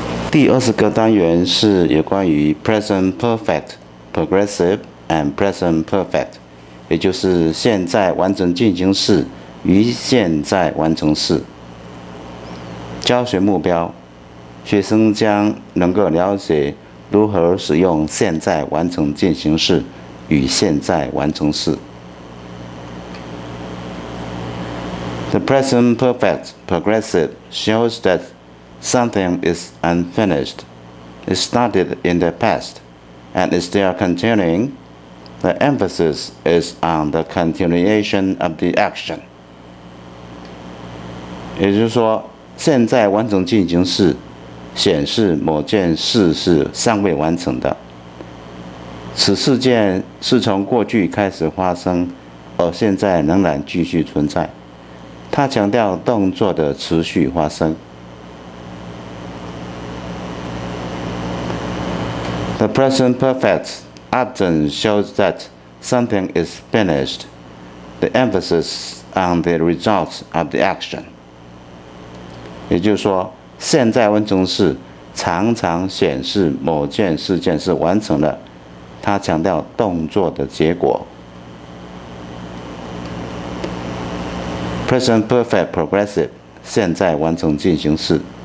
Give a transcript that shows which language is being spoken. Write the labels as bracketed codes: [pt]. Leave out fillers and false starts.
[zh] 第20个单元是有关于 [en] Present Perfect, Progressive and Present Perfect， [zh] 也就是现在完成进行式与现在完成式。教学目标，学生将能够了解如何使用现在完成进行式与现在完成式。 [en] The present perfect progressive shows that something is unfinished, it started in the past, and is still continuing. The emphasis is on the continuation of the action. [zh] 也就是说，现在完成进行式显示某件事是尚未完成的，此事件是从过去开始发生，而现在仍然继续存在。它强调动作的持续发生。 [en] The present perfect often shows that something is finished. The emphasis on the results of the action. [zh] 也就是说，现在完成式常常显示某件事件是完成了，它强调动作的结果。 Present perfect progressive， 现在完成进行式。